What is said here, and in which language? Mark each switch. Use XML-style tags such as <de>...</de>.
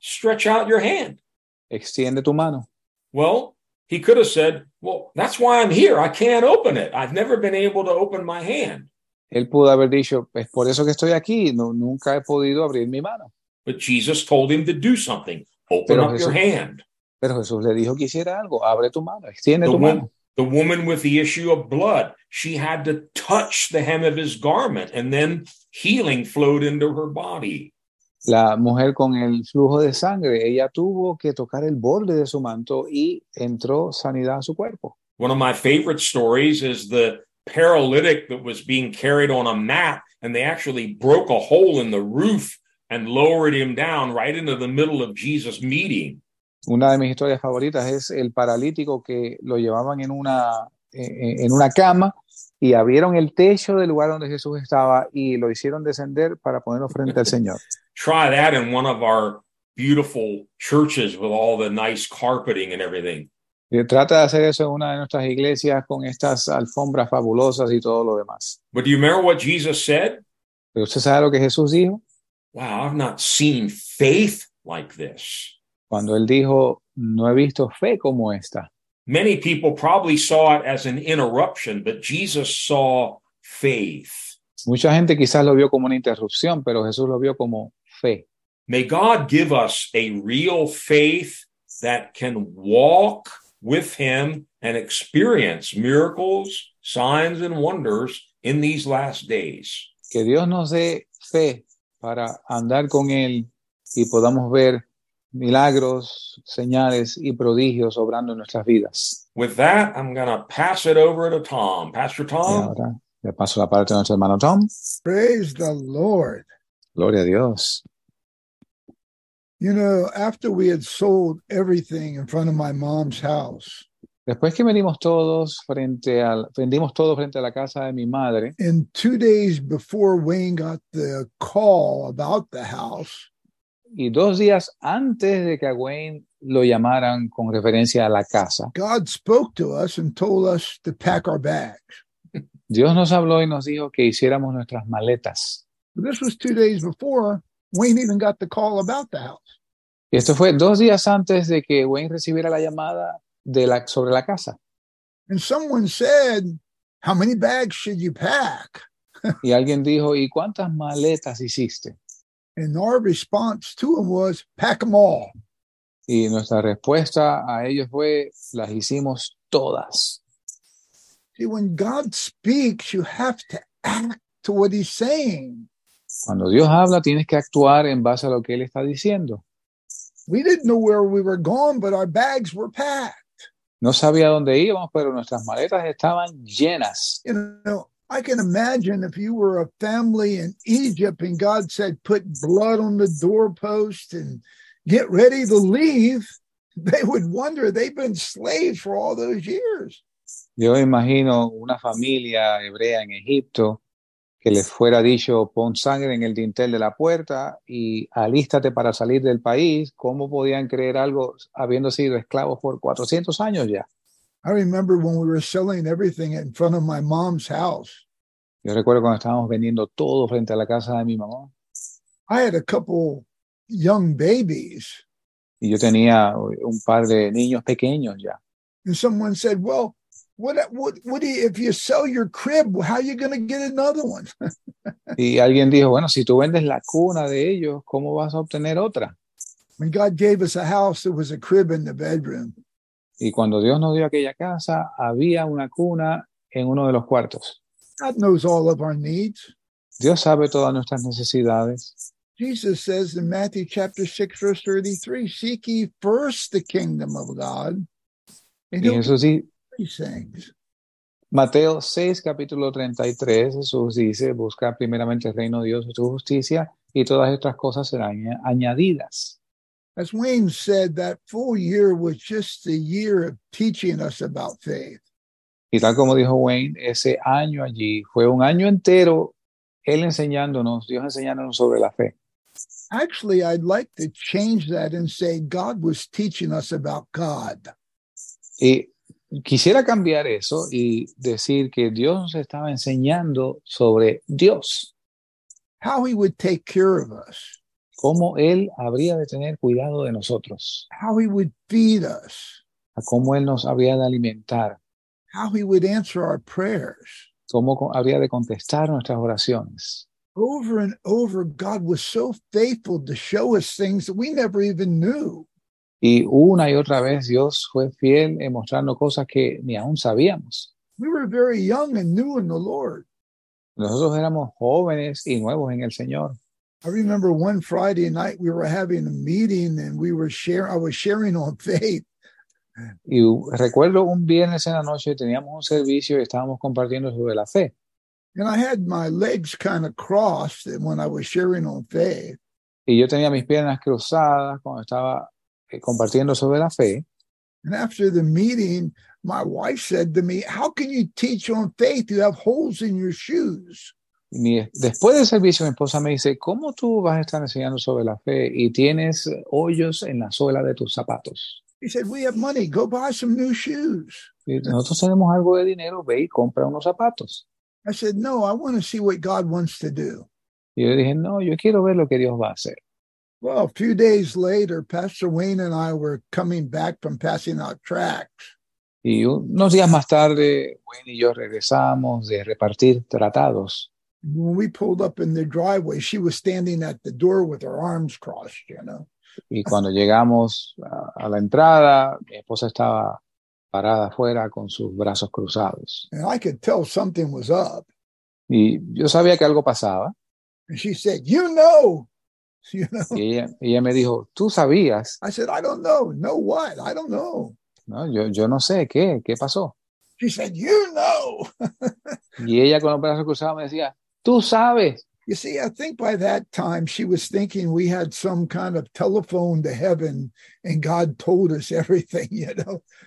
<en>Stretch out your hand.</en> <es>Extiende tu mano.</es> <en>Well, he could have said, well, that's why I'm here. I can't open it. I've never been able to open my hand.</en> <es>Él pudo haber dicho, es por eso que estoy aquí. No, nunca he podido abrir mi mano.</es> <en>But Jesus told him to do something. Open up your hand.</en> <es>Pero Jesús le dijo que hiciera algo. Abre tu mano, extiende</es> <en>The</en> <es>tu mano.</es> <en>The woman with the issue of blood, she had to touch the hem of his garment, and then healing flowed into her body.</en> <es>La mujer con el flujo de sangre, ella tuvo que tocar el borde de su manto y entró sanidad a su cuerpo.</es> <en>One of my favorite stories is the paralytic that was being carried on a mat, and they actually broke a hole in the roof and lowered him down right into the middle of Jesus' meeting.</en> <es>Una de mis historias favoritas es el paralítico que lo llevaban en una cama y abrieron el techo del lugar donde Jesús estaba y lo hicieron descender para ponerlo frente al Señor.</es> <en>Try that in one of our beautiful churches with all the nice carpeting and everything.</en> <es>Trata de hacer eso en una de nuestras iglesias con estas alfombras fabulosas y todo lo demás.</es> <en>But do you remember what Jesus said?</en> <es>¿Pero usted sabe lo que Jesús dijo?</es> <en>Wow, I've not seen faith like this.</en> <es>Cuando él dijo, no he visto fe como esta.</es> <en>Many people probably saw it as an interruption, but Jesus saw faith.</en> <es>Mucha gente quizás lo vio como una interrupción, pero Jesús lo vio como fe.</es> <en>May God give us a real faith that can walk with him and experience miracles, signs, and wonders in these last days.</en> <es>Que Dios nos dé fe para andar con él y podamos ver milagros, señales y prodigios obrando en nuestras vidas.</es> <en>With that, I'm going to pass it over to Tom. Pastor Tom.</en> <es>Y ahora, le paso la palabra a nuestro hermano Tom.</es> <en>Praise the Lord.</en> <es>Gloria a Dios.</es> <en>You know, after we had sold everything in front of my mom's house.</en> <es>Después que vendimos todo frente a la casa de mi madre.</es> <en>And 2 days before Wayne got the call about the house.</en> <es>Y 2 días antes de que a Wayne lo llamaran con referencia a la casa.</es> <en>God spoke to us and told us to pack our bags.</en> <es>Dios nos habló y nos dijo que hiciéramos nuestras maletas.</es> <en>This was 2 days before Wayne even got the call about the house.</en> <es>Y esto fue 2 días antes de que Wayne recibiera la llamada sobre la casa.</es> <en>And someone said, how many bags should you pack?</en> <es>Y alguien dijo, ¿y cuántas maletas hiciste?</es> <en>And our response to them was, pack them all.</en> <es>Y nuestra respuesta a ellos fue, las hicimos todas.</es> <en>See, when God speaks, you have to act to what he's saying.</en> <es>Cuando Dios habla, tienes que actuar en base a lo que él está diciendo.</es> <en>We didn't know where we were going, but our bags were packed.</en> <es>No sabía dónde íbamos, pero nuestras maletas estaban llenas.</es> <en>You know, I can imagine if you were a family in Egypt and God said, put blood on the doorpost and get ready to leave, they would wonder, they've been slaves for all those years.</en> <es>Yo imagino una familia hebrea en Egipto que les fuera dicho, pon sangre en el dintel de la puerta y alístate para salir del país. ¿Cómo podían creer algo habiendo sido esclavos por 400 años ya?</es> <en>I remember when we were selling everything in front of my mom's house.</en> <es>Yo recuerdo cuando estábamos vendiendo todo frente a la casa de mi mamá.</es> <en>I had a couple young babies.</en> <es>Y yo tenía un par de niños pequeños ya.</es> <en>And someone said, "Well, what if you sell your crib, how are you going to get another one?"</en> <es>Y alguien dijo, "Bueno, si tú vendes la cuna de ellos, ¿cómo vas a obtener otra?"</es> <en>When God gave us a house, there was a crib in the bedroom.</en> <es>Y cuando Dios nos dio aquella casa, había una cuna en uno de los cuartos.</es> <en>God knows all of our needs.</en> <es>Dios sabe todas nuestras necesidades.</es> <en>Jesus says in Matthew chapter 6, verse 33, seek ye first the kingdom of God.</en> <es>Y Jesús dice,</es> <en>these things.</en> <es>Mateo 6, capítulo 33, Jesús dice, busca primeramente el reino de Dios y su justicia, y todas estas cosas serán añadidas.</es> <en>As Wayne said, that full year was just a year of teaching us about faith.</en> <es>Y tal como dijo Wayne, ese año allí fue un año entero él enseñándonos, Dios enseñándonos sobre la fe.</es> <en>Actually, I'd like to change that and say God was teaching us about God.</en> <es>Y quisiera cambiar eso y decir que Dios nos estaba enseñando sobre Dios.</es> <en>How he would take care of us.</en> <es>Cómo él habría de tener cuidado de nosotros.</es> <en>How he would feed us.</en> <es>A cómo él nos habría de alimentar.</es> <en>How he would answer our prayers.</en> <es>Cómo habría de contestar nuestras oraciones.</es> <en>Over and over, God was so faithful to show us things that we never even knew.</en> <es>Y una y otra vez Dios fue fiel en mostrando cosas que ni aún sabíamos.</es> <en>We were very young and new in the Lord.</en> <es>Nosotros éramos jóvenes y nuevos en el Señor.</es> <en>I remember one Friday night we were having a meeting and we were sharing on faith.</en> <es>Y recuerdo un viernes en la noche teníamos un servicio y estábamos compartiendo sobre la fe.</es> <en>And I had my legs kind of crossed when I was sharing on faith.</en> <es>Y yo tenía mis piernas cruzadas cuando estaba compartiendo sobre la fe.</es> <en>And after the meeting, my wife said to me, "How can you teach on faith? You have holes in your shoes."</en> <es>Después del servicio, mi esposa me dice, "¿Cómo tú vas a estar enseñando sobre la fe y tienes hoyos en la suela de tus zapatos?"</es> <en>He said, "We have money. Go buy some new shoes."</en> <es>Nosotros tenemos algo de dinero. Ve y compra unos zapatos.</es> <en>I said, "No, I want to see what God wants to do."</en> <es>Y yo dije, "No, yo quiero ver lo que Dios va a hacer."</es> <en>Well, a few days later, Pastor Wayne and I were coming back from passing out tracts.</en> <es>Y unos días más tarde, Wayne y yo regresamos de repartir tratados.</es> <en>When we pulled up in the driveway, she was standing at the door with her arms crossed, you know.</en> <es>Y cuando llegamos a la entrada, mi esposa estaba parada afuera con sus brazos cruzados.</es> <en>And I could tell something was up.</en> <es>Y yo sabía que algo pasaba.</es> <en>And she said, "You know." You know?</en> <es>Y ella me dijo, "Tú sabías."</es> <en>I said, "I don't know." "Know what? I don't know."</en> <es>No, yo no sé qué. ¿Qué pasó?</es> <en>She said, "You know."</en> <es>Y ella con los brazos cruzados me decía, "Tú sabes."</es> <en>You see, I think by that time she was thinking we had some kind of telephone to heaven and God told us everything, you know.</en>